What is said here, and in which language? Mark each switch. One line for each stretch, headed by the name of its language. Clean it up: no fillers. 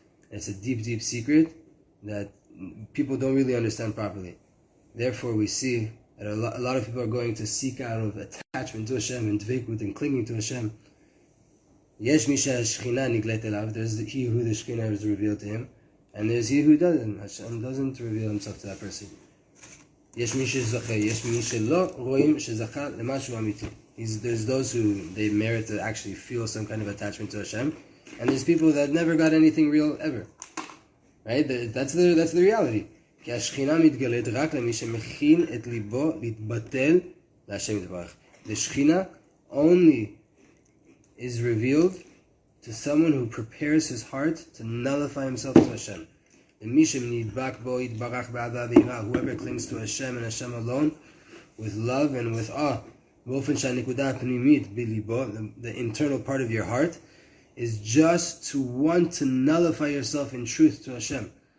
English: It's a deep, deep secret that people don't really understand properly. Therefore, we see that a lot of people are going to seek out of attachment to Hashem and dveikut and clinging to Hashem.
Hebrew: Yesh mi shechina niglet elav.
English: There's he who the Shechina has revealed to him, and there's he who doesn't. Hashem doesn't reveal himself to that person.
Hebrew: יש מי שזכה, יש מי שלא, רואים שזכה למשהו אמיתי.
English: There's those who they merit to actually feel some kind of attachment to Hashem, and there's people that never got anything real ever. Right? That's the reality.
Hebrew: כי השכינה מתגלית רק למי שמכין את ליבו להתבטל להשם יתברך.
English: The שכינה only is revealed to someone who prepares his heart to nullify himself to Hashem.
Hebrew: למי שנדבק בו יתברך באהבה ויראה,
English: whoever clings to Hashem and Hashem alone with love and with awe,
Hebrew: באופן שהנקודה הפנימית בליבו,
English: the internal part of your heart, is just to want to nullify yourself in truth to Hashem.